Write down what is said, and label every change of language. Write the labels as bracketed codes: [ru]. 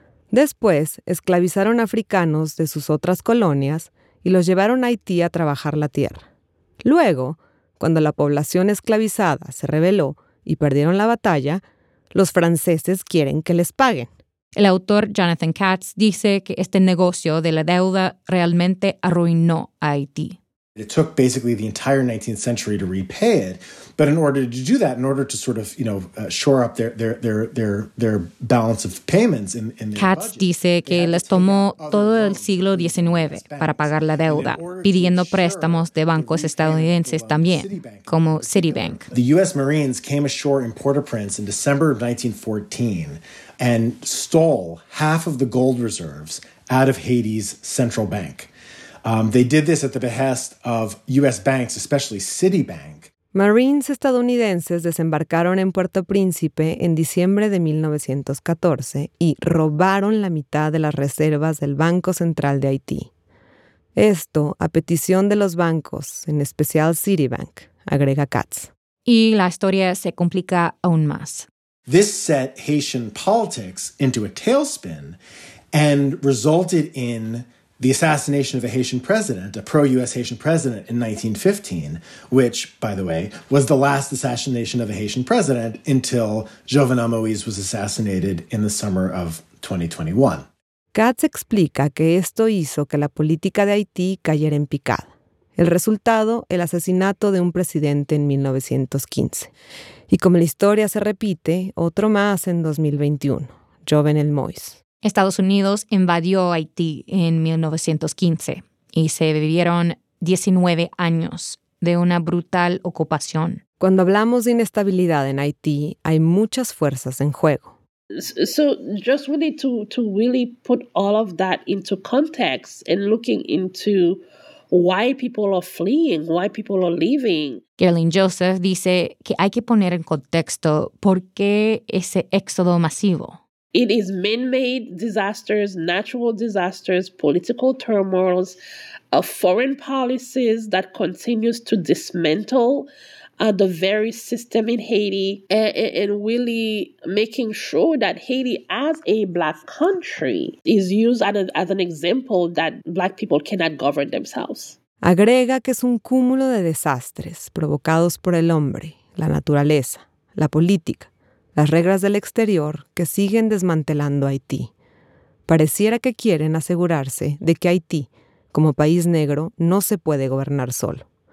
[es] Después, esclavizaron africanos de sus otras colonias y los llevaron a Haití a trabajar la tierra. Luego, cuando la población esclavizada se rebeló y perdieron la batalla, los franceses quieren que les paguen. El autor Jonathan Katz dice que este negocio de la deuda realmente arruinó a Haití. [en] It took basically the entire 19th century to repay it, but in order to do that, in order to sort of, you know, shore up their balance of payments in their budget. [es] Katz dice que les tomó todo el siglo XIX para pagar la deuda, pidiendo préstamos de bancos estadounidenses también, como Citibank. [en] The U.S. Marines came ashore in Port-au-Prince in December of 1914 and stole half of the gold reserves out of Haiti's central bank. They did this at the behest of U.S. banks, especially Citibank. [es] Marines estadounidenses desembarcaron en Puerto Príncipe en diciembre de 1914 y robaron la mitad de las reservas del Banco Central de Haití. Esto a petición de los bancos, en especial Citibank, agrega Katz. Y la historia se complica aún más. [en] This set Haitian politics into a tailspin and resulted in the assassination of a Haitian president, a pro-U.S. Haitian president in 1915, which, by the way, was the last assassination of a Haitian president until Jovenel Moïse was assassinated in the summer of 2021. [es] Katz explica que esto hizo que la política de Haití cayera en picada. El resultado, el asesinato de un presidente en 1915. Y como la historia se repite, otro más en 2021, Jovenel Moïse. Estados Unidos invadió Haití en 1915 y se vivieron 19 años de una brutal ocupación. Cuando hablamos de inestabilidad en Haití, hay muchas fuerzas en juego. [en] So just really to really put all of that into context and looking into why people are fleeing, why people are leaving. [es] Gerlin Joseph dice que hay que poner en contexto por qué ese éxodo masivo. [en] It is man-made disasters, natural disasters, political turmoils, foreign policies that continues to dismantle the very system in Haiti and really making sure that Haiti as a black country is used as an example that black people cannot govern themselves. [es] Agrega que es un cúmulo de desastres provocados por el hombre, la naturaleza, la política. Las reglas del exterior que siguen desmantelando Haití. Pareciera que quieren asegurarse de que Haití, como país negro, no se puede gobernar solo.